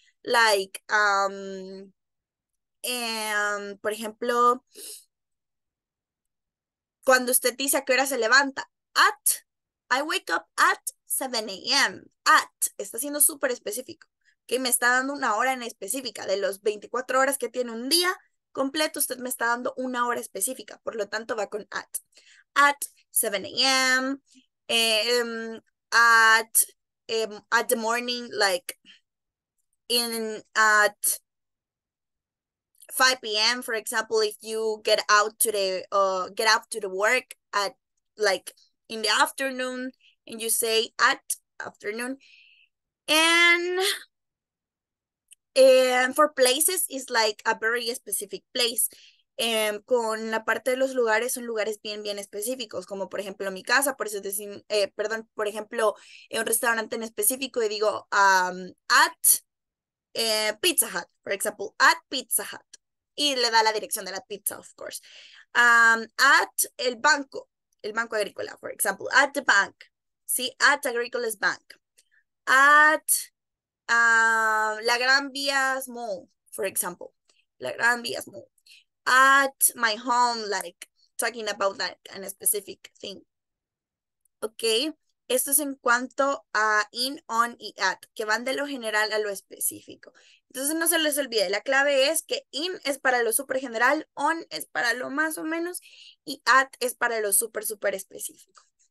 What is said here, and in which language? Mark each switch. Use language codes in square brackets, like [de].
[es] Like, por ejemplo, cuando usted dice a qué hora se levanta, at, [en] I wake up at 7 a.m., [es] at, está siendo super específico, okay, me está dando una hora en específica de los 24 horas que tiene un día, completo, usted me está dando una hora específica, por lo tanto va con at. [en] At 7 a.m., at the morning, like in at 5 p.m., for example, if you get out to the, get out to the work at like in the afternoon, and you say at afternoon. And for places is like a very specific place. [es] Con la parte de los lugares son lugares bien, bien específicos, como por ejemplo mi casa, por eso decir, perdón, por ejemplo, un restaurante en específico y digo [en] at Pizza Hut, for example, at Pizza Hut. [es] Y le da la dirección de la pizza, of course. [en] At el banco agrícola, for example, at the bank. Sí, at Agricola's Bank. At La Gran Vía Small, for example. La Gran Vía Small. At my home, like, talking about that and a specific thing. Okay. [es] Esto es en cuanto a in, on y at, que van de lo general a lo específico. Entonces, no se les olvide. La clave es que in es para lo súper general, on es para lo más o menos, y at es para lo súper, súper específico.